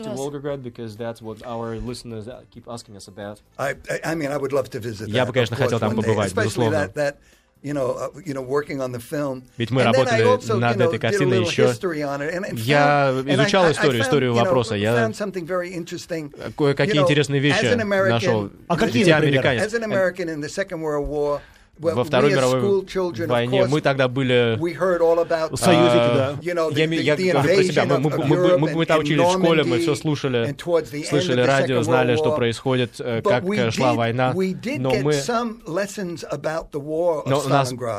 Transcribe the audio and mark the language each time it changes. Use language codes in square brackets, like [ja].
[ru] вас. Я бы, конечно, хотел там побывать, безусловно. [en] Working on the film. [ru] Ведь мы работали над этой картиной еще. Я изучал историю вопроса. Я кое-какие интересные вещи нашел. А какие, например? [en] As an American in the Second World War, [ru] во Второй мировой войне мы тогда были союзниками, да. Я говорю про себя. Мы там учились в школе, мы все слышали радио, знали, что происходит, как шла война. Но у нас